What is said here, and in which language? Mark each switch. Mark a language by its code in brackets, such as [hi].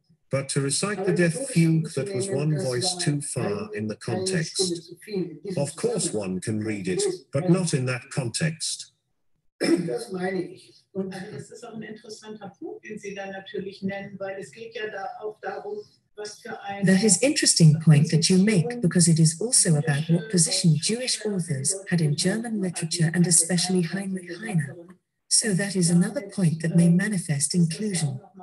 [en] but to recite the death fugue that was one voice too far in the context. Of course one can read it, but not in that context. [de] Das meine ich. Und das ist auch ein interessanter Punkt, den Sie da natürlich nennen, weil es geht ja da auch darum, [en] that is interesting point that you make, because it is also about what position Jewish authors had in German literature and especially Heinrich Heine. So that is another point that may manifest inclusion.